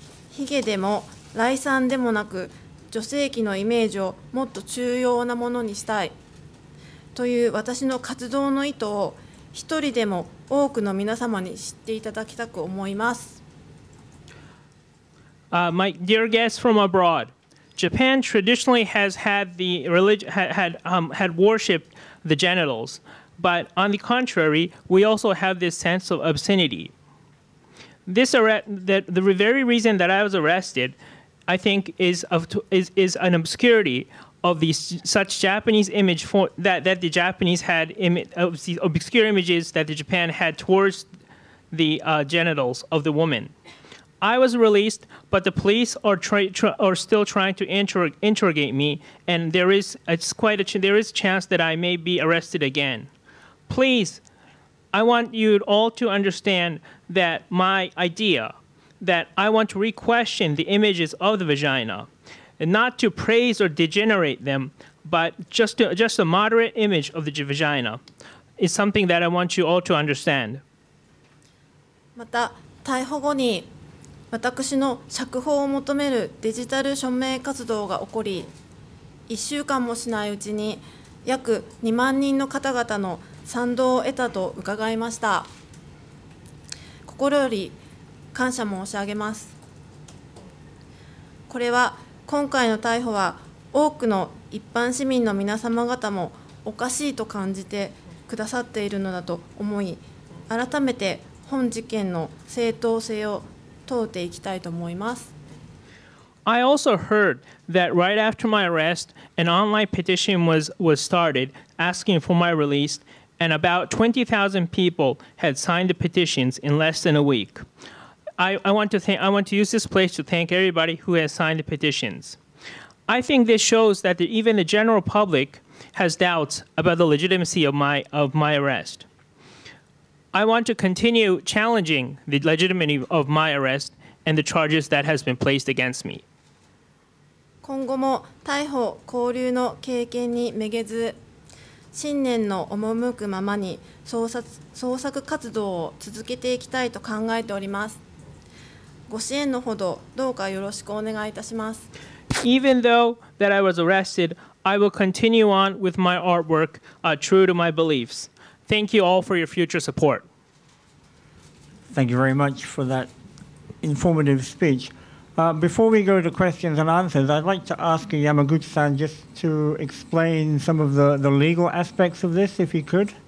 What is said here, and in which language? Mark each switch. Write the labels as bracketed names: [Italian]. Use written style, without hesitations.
[Japanese] ヒゲでも来賛でもなく、女性器のイメージをもっと重要なものにしたいという私の活動の意図を一人でも多くの皆様に知っていただきたく思います。 [English] My dear guests from abroad, Japan traditionally has had the religion had worshipped the genitals, but on the contrary, we also have this sense of obscenity. The very reason that I was arrested. I think is an obscurity of these such Japanese image for that the Japanese had obscure images that the Japan had towards the genitals of the woman. I was released, but the police are still trying to interrogate me, and there is a chance that I may be arrested again. Please, I want you all to understand that my idea. That I want to re-question the images of the vagina, and not to praise or degenerate them, but just a moderate image of the vagina is something that I want you all to understand. [Japanese] また逮捕後に私の釈放を求めるデジタル署名活動が起こり、1週間もしないうちに約2万人の方々の賛同を得たと伺いました。心より感謝申し上げます。これは今回の逮捕は多くの一般市民の皆様方もおかしいと感じてくださっているのだと思い、改めて本事件の正当性を問うていきたいと思います。 [English] I also heard that right after my arrest, an online petition was started asking for my release, and about 20,000 people had signed the petitions in less than a week. I want to use this place to thank everybody who has signed the petitions. I think this shows that even the general public has doubts about the legitimacy of my arrest. I want to continue challenging the legitimacy of my arrest and the charges that has been placed against me. [Japanese] 今後も逮捕・拘留の経験にめげず、信念の赴くままに創作活動を続けていきたいと考えております。ご支援のほどどうかよろしくお願いいたします。 [English] Even though that I was arrested, I will continue on with my artwork, true to my beliefs. Thank you all for your future support. Thank you very much for that informative speech. Before we go to questions and answers, I'd like to ask Yamaguchi-san just to explain some of the legal aspects of this, if he could.